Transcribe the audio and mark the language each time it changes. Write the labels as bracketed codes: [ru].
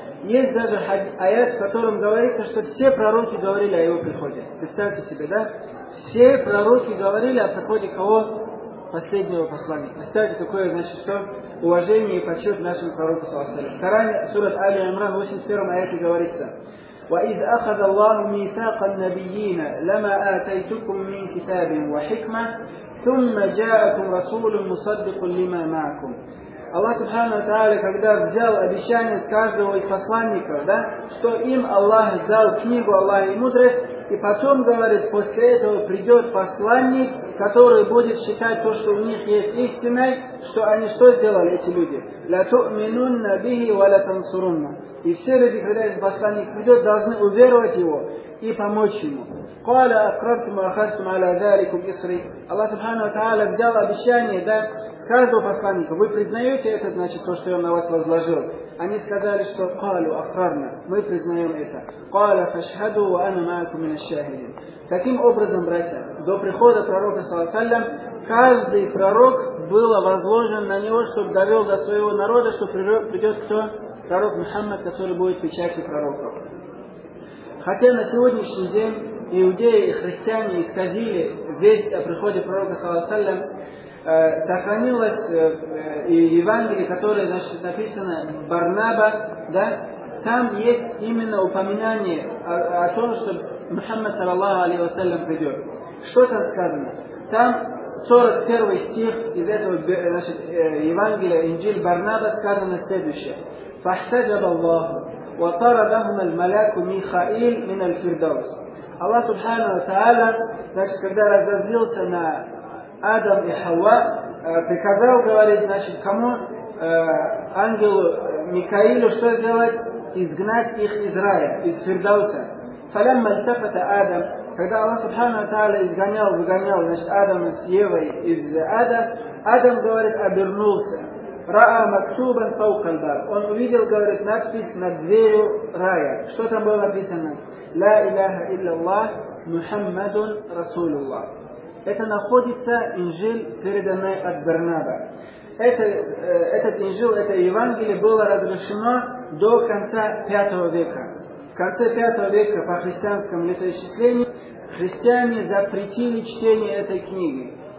[ru] Есть даже аят, в котором говорится, что все пророки говорили о его приходе. Представьте себе, да? Все пророки говорили о приходе кого? Последнего послания. Представьте, какое, значит, что? Уважение и почет нашему пророку, саллаллаху алейхи ва саллям. В Коране, сура Али Имран, 81 аяте говорится, [ar] وإذ أخذ الله ميثاق النبيين لما آتيتكم من كتاب وحكمة ثم جاءكم رسول مصدق لما معكم. [ru] Аллах Субхана ва Тааля, когда взял обещание с каждого из посланников, да, что им Аллах дал книгу Аллаха и мудрость, и потом говорит, после этого придет посланник, который будет считать то, что у них есть истиной, что они что сделали, эти люди? [ar] «Ля тукминунна бихи ва ля тансурунна». [ru] И все люди, когда этот посланник придет, должны уверовать его и помочь ему. [ar] قال أقرتم أخذتم على ذلك بإصري. الله سبحانه وتعالى [ru] взял обещание, да, каждого посланника. Вы признаете это, значит, то, что я на вас возложил? Они сказали, что [ar] قالوا أقرنا. [ru] Мы признаем это. [ar] قال فاشهدوا وأنا معكم من الشاهدين. [ru] Таким образом, братья, до прихода пророка саллаллам каждый пророк было возложен на него, чтобы довел до своего народа, что придет кто? Пророк Мухаммад, который будет печатью пророков. Хотя на сегодняшний день иудеи и христиане исказили весть о приходе пророка саллаллаху алейхи, сохранилось в Евангелии, которое, значит, написано Барнаба, да, там есть именно упоминание о том, что Мухаммад саллаллаху алейхи вассалям придет. Что там сказано? Там 41 стих из этого, значит, Евангелия, Инджил Барнаба, сказано следующее. [ar] فاحتجب الله وطردهما الملاك ميخائيل من الفردوس. [ru] Аллах Субхана ва Тааля, значит, когда разозлился на Адам и Хава, приказал, говорит, значит, кому? Ангелу Микаилу что сделать? Изгнать их из рая, из Фирдауса. [ar] Фалямма альтафата Адам, [ru] когда Аллах Субхана ва Тааля изгонял, выгонял, значит, Адама с Евой из ада, Адам, говорит, обернулся. [ar] Раа максубан фаука альбаб. [ru] Он увидел, говорит, надпись над дверью рая. Что там было написано? [ar] لا إله إلا الله محمد رسول الله. [ru] Это находится Инжил, переданный от Барнаба. Этот Инжил, это Евангелие было разрешено до конца V века. В конце V века по христианскому летоисчислению христиане запретили чтение этой книги.